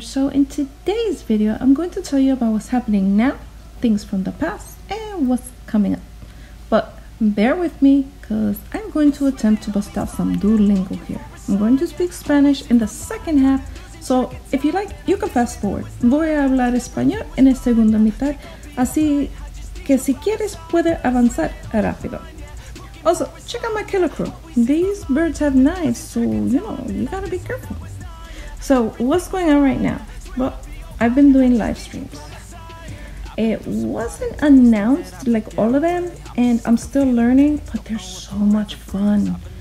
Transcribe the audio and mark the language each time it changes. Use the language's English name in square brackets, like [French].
[English] So in today's video, I'm going to tell you about what's happening now, things from the past, and what's coming up. But bear with me, because I'm going to attempt to bust out some Duolingo here. I'm going to speak Spanish in the second half, so if you like, you can fast forward. [Spanish] Voy a hablar español en la segunda mitad, así que si quieres, puede avanzar rápido. [English] Also, check out my killer crew. These birds have knives, so you know, you gotta be careful. So, what's going on right now? Well, I've been doing live streams. It wasn't announced, like all of them, and I'm still learning, but they're so much fun.